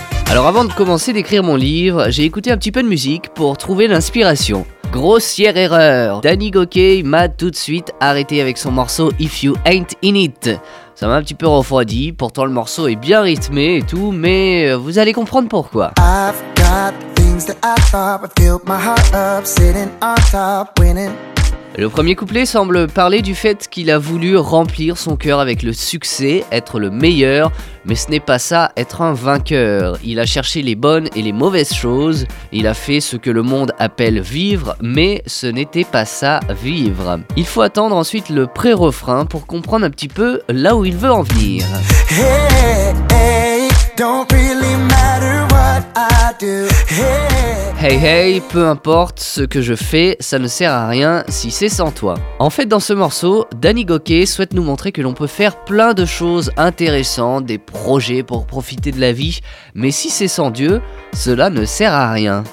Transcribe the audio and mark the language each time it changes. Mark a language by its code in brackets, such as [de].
[fr] Alors avant de commencer d'écrire mon livre, j'ai écouté un petit peu de musique pour trouver l'inspiration. Grossière erreur, Danny Gokey m'a tout de suite arrêté avec son morceau « If you ain't in it ». Ça m'a un petit peu refroidi, pourtant le morceau est bien rythmé et tout, mais vous allez comprendre pourquoi. [en] I've got things that I thought would fill my heart up, sitting on top, winning. [fr] Le premier couplet semble parler du fait qu'il a voulu remplir son cœur avec le succès, être le meilleur, mais ce n'est pas ça, être un vainqueur. Il a cherché les bonnes et les mauvaises choses, il a fait ce que le monde appelle vivre, mais ce n'était pas ça, vivre. Il faut attendre ensuite le pré-refrain pour comprendre un petit peu là où il veut en venir. [en] Hey, don't really matter what I do. [fr] Hey, peu importe ce que je fais, ça ne sert à rien si c'est sans toi. En fait, dans ce morceau, Danny Gokey souhaite nous montrer que l'on peut faire plein de choses intéressantes, des projets pour profiter de la vie, mais si c'est sans Dieu, cela ne sert à rien.